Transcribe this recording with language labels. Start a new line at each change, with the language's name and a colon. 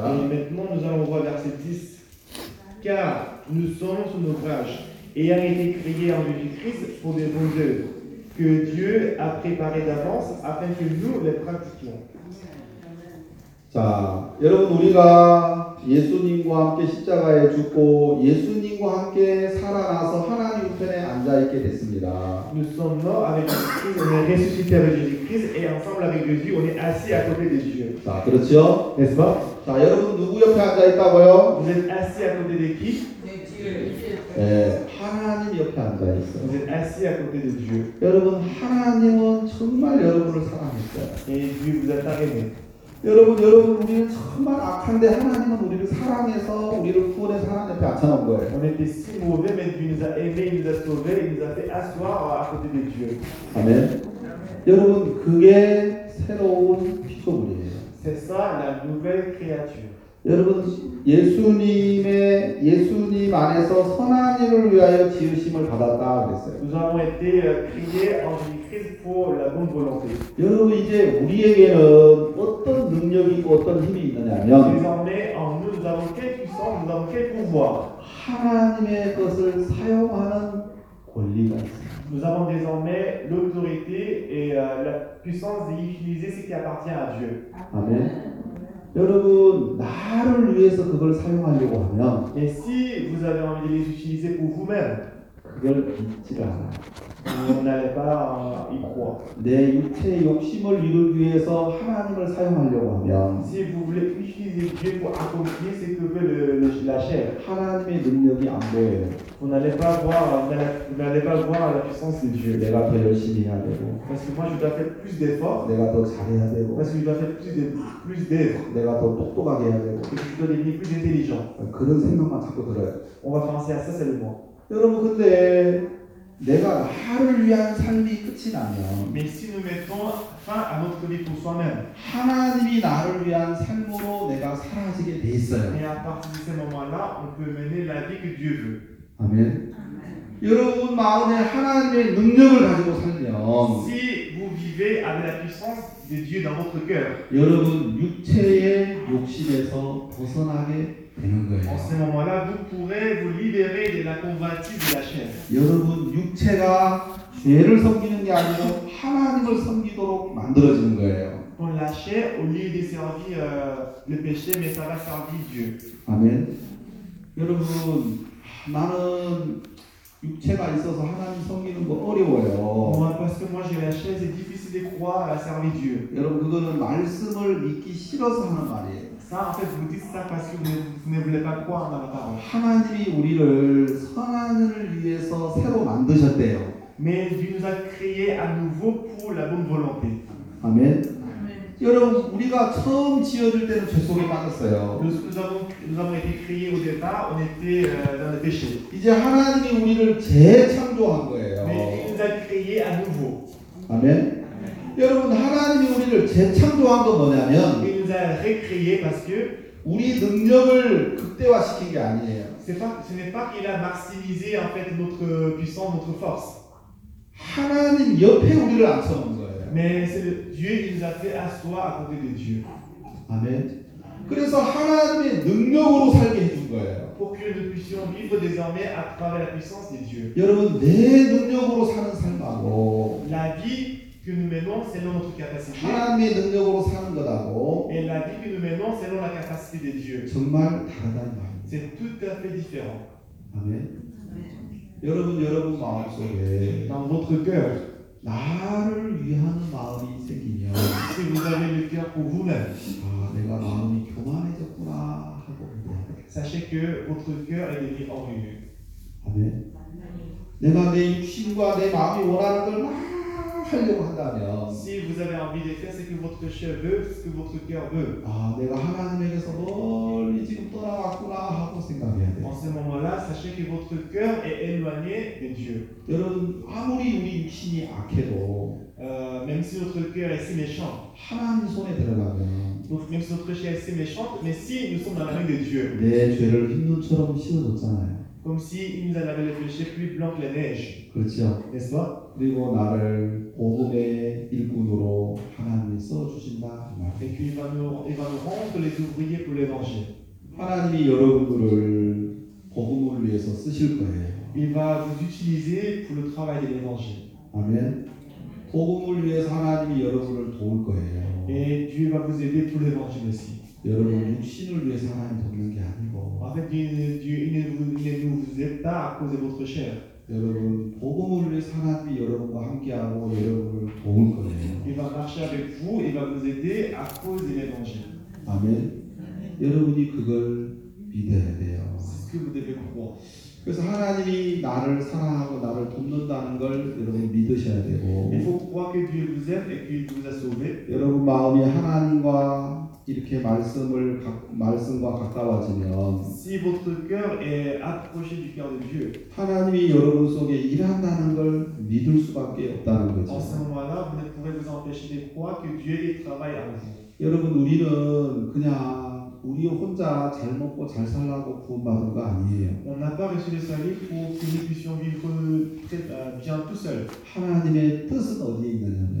French: Et maintenant nous allons voir verset 10. Car nous sommes sous naufrage, ayant été créés en Jésus-Christ pour des bonnes œuvres, que Dieu a préparées d'avance afin que nous les pratiquions.
Korean: 자, 여러분 우리가 예수님과 함께 십자가에 죽고 예수님과 함께 살아나서 하나님 우편에 앉아 있게 됐습니다.
French: Nous sommes morts avec Jésus-Christ, on est ressuscité avec Jésus-Christ et ensemble avec Jésus, on est assis à côté de Dieu.
Korean: 자, 그렇죠?
French: N'est-ce pas?
Korean: 자, 여러분 누구 옆에 앉아 있다고요?
French: Vous êtes assis à côté de qui?
Korean: 예, 네, 하나님 옆에 앉아 있어요.
French: Vous êtes assis à côté de Dieu.
Korean: 여러분 하나님은 정말 여러분을 사랑했어요.
French: Et Dieu vous a aimé.
Korean: 여러분 우리는 정말 악한데 하나님은 우리를 사랑해서 우리를 구원의 사람 옆에 앉혀놓은 거예요.
French: On était si mauvais, mais Dieu nous a aimés, nous a sauvés, nous a fait asseoir à côté de Dieu.
Korean: 아멘. 여러분 그게 새로운 피조물이에요.
French: C'est ça la nouvelle créature.
Korean: 여러분 예수님 안에서 선한 일을 위하여 지으심을 받았다 그랬어요.
French: Nous avons été créés en Jésus-Christ pour la bonne volonté.
Korean: 여러분 이제 우리에게는 어떤 능력이고 어떤 힘이 있느냐면
French: nous avons quelle puissance, nous avons quel pouvoir.
Korean: 하나님의 것을 사용하는 권리가 있어요.
French: Nous avons désormais l'autorité et la puissance d'utiliser ce qui appartient à Dieu.
Korean: 아멘. 여러분 나를 위해서 그걸 사용하려고 하면
French: Et si vous avez envie de les utiliser pour vous-même
Korean: 그걸 믿지 않아요.
French: Vous n'allez pas y croire.
Korean: 내 육체의 욕심을 이루기 위해서 하나님을 사용하려고 하면
French: Si vous voulez utiliser Dieu pour accomplir ce que veut la chair
Korean: 하나님의 능력이 안 보여요.
French: Vous n'allez pas voir la puissance de Dieu.
Korean: 내가 더 열심히 해야 되고
French: Parce que moi je dois faire plus d'efforts.
Korean: 내가 더 잘해야 되고
French: Parce que je dois faire plus d'efforts.
Korean: 내가 더 똑똑하게 해야 되고
French: Parce que je dois devenir plus intelligent.
Korean: 그런 생각만 자꾸 들어요.
French: On va penser à ça seulement.
Korean: 여러분 근데 내가 나를 위한 삶이 끝이 나면
French: Mais si nous mettons fin à notre vie pour soi-même
Korean: 하나님이 나를 위한 삶으로 내가 사라지게 돼 있어요.
French: Et à partir de ce moment-là, on peut mener la vie que Dieu veut.
Korean: 아멘. 여러분 마음에 하나님의 능력을 가지고 살면
French: Si vous vivez avec la puissance de Dieu dans votre cœur
Korean: 여러분 육체의 욕심에서 벗어나게
French: En ce moment-là, vous pourrez vous libérer de la convoitise de la chair.
Korean: 여러분 육체가 죄를 섬기는 게 아니고 하나님을 섬기도록 만들어지는 거예요.
French: Pour la chair, au lieu de servir le péché, mais ça va servir Dieu.
Korean: Amen. 여러분 나는 육체가 있어서 하나님 섬기는 거 어려워요.
French: Moi, parce que moi j'ai la chair, c'est difficile de croire à servir Dieu.
Korean: 여러분 그거는 말씀을 믿기 싫어서 하는 말이에요.
French: Ça, en fait, vous dites ça parce que vous ne voulez pas croire dans la parole.
Korean: 하나님이 우리를 선한 일을 위해서 새로 만드셨대요.
French: Mais Dieu nous a créé à nouveau pour la bonne volonté.
Korean: Amen. 여러분 우리가 처음 지어질 때는 죄 속에 빠졌어요.
French: Nous avons été créés au départ, on était dans le péché.
Korean: 이제 하나님이 우리를 재창조한 거예요.
French: Mais Dieu nous a créé à nouveau.
Korean: Amen. 여러분 하나님이 우리를 재창조한 건 뭐냐면
French: Il nous a recréé parce que
Korean: 우리 능력을 극대화시킨 게 아니에요.
French: Ce n'est pas qu'il a maximisé en fait notre puissance, notre force.
Korean: 하나님 옆에 우리를 앉혀놓은 거예요.
French: Mais Dieu il nous a fait asseoir à côté de Dieu.
Korean: 아멘. 그래서 하나님의 능력으로 살게 해준 거예요.
French: Pour que nous puissions vivre désormais à travers la puissance de Dieu.
Korean: 여러분 내 능력으로 사는 삶하고
French: La vie que nous menons selon notre capacité.
Korean: 하나님의 능력으로 사는 거라고.
French: Et la vie que nous menons selon la capacité de Dieu.
Korean: 정말 다르다는 말.
French: C'est tout à fait différent.
Korean: 아멘. 여러분 여러분 마음 속에
French: dans votre cœur
Korean: 나를 위한 마음이 생기면
French: si vous avez le cœur pour vous-même
Korean: 아 내가 마음이 교만해졌구나 하고
French: sachez que votre cœur est devenu orgueilleux
Korean: 아멘 내가 내 육신과 내 마음이 원하는 걸 막 하려고 한다면
French: si vous avez envie de faire ce que votre cœur veut ce que votre cœur veut
Korean: 아 내가 하나님에게서 멀리 지금 떠나왔구나 하고 생각해야 돼
French: en ce moment-là sachez que votre cœur est éloigné de Dieu
Korean: 여러분 아무리 우리 육신이 악해도
French: même si notre cœur est si méchant
Korean: 하나님 손에 들어가면
French: donc même si notre cœur est si méchant mais si nous sommes dans la main de Dieu
Korean: 내 죄를 흰 눈처럼 씻어줬잖아요
French: comme si il nous en avait le péché plus blanc que la neige.
Korean: 그렇죠.
French: N'est-ce pas?
Korean: 그리고 나를 복음의 일꾼으로 하나님이 써주신다.
French: Et puis il va nous rendre les ouvriers pour l'évangile.
Korean: 하나님이 여러분들을 복음을 위해서 쓰실 거예요.
French: Il va vous utiliser pour le travail de l'évangile.
Korean: 아멘. 복음을 위해서 하나님이 여러분을 도울 거예요.
French: Et Dieu va vous aider pour l'évangile aussi.
Korean: 여러분 육신을 위해서 하나님 돕는 게 아니고.
French: En fait, Dieu ne vous aide pas à cause de votre chair.
Korean: 여러분 복음을 위해서 하나님이 여러분과 함께하고 여러분을 도울 거예요.
French: Il va marcher avec vous et va vous aider à cause de l'évangile.
Korean: 아멘. 여러분이 그걸 믿어야 돼요.
French: C'est que vous devez croire.
Korean: 그래서 하나님이 나를 사랑하고 나를 돕는다는 걸 여러분 믿으셔야 되고.
French: Il faut croire que Dieu vous aime et qu'il vous a sauvé.
Korean: 여러분 마음이 하나님과 이렇게 말씀을 말씀과 가까워지면
French: si votre cœur est approché du cœur de Dieu
Korean: 하나님이 여러분 속에 일한다는 걸 믿을 수밖에 없다는 거죠.
French: En ce moment-là, vous ne pouvez vous empêcher de croire que Dieu y travaille en vous.
Korean: 여러분 우리는 그냥 우리 혼자 잘 먹고 잘 살라고 구원받은 거 아니에요.
French: On n'a pas reçu le salut pour que nous puissions vivre très bien tout seul.
Korean: 하나님의 뜻은 어디에 있느냐면